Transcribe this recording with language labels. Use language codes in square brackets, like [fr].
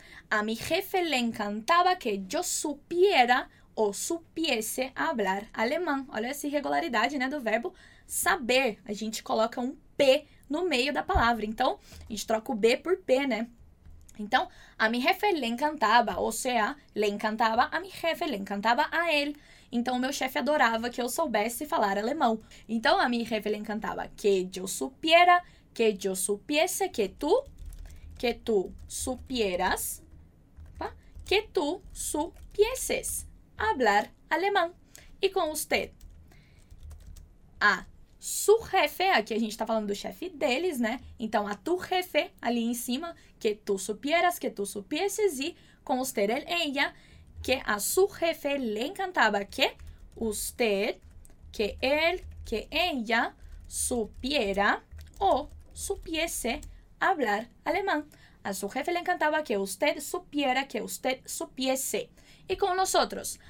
[es] A mi jefe le encantaba que yo supiera o supiese hablar alemán. [pt] Olha essa irregularidade, né, do verbo saber. A gente coloca um P no meio da palavra. Então, a gente troca o B por P, né? Então, [es] a mi jefe le encantaba, ou seja, le encantaba a mi jefe, le encantaba a él. [pt] Então, o meu chefe adorava que eu soubesse falar alemão. [es] Então, a mi jefe le encantaba que yo supiera, que yo supiese, que tú supieras, que tú supieses hablar [pt] alemão. E com usted? A su jefe, aqui a gente está falando do chefe deles, né? Então, a tu jefe, ali em cima, [es] que tu supieras, que tu supieses, e com usted, él, ella, que a su jefe le encantaba que usted, que él, que ella, supiera o supiese hablar alemán. A su jefe le encantaba que usted supiera, que usted supiese. y con nosotros.